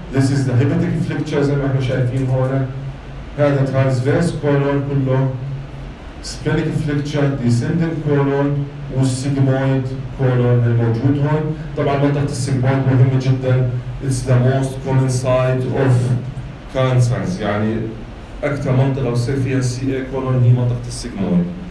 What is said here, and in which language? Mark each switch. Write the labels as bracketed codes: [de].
[en] This is the hepatic flexure [ar] زي ما احنا شايفين هون. [en] هذا transverse colon كله. Splenic flexure. Descending colon. [ar] والسيجمويد colon الموجود هون. طبعا منطقة السيجمويد مهمة جدا. [en] It's the most common site of cancers. [ar] يعني أكثر منطقة بصير فيها CA colon هي منطقة السيجمويد.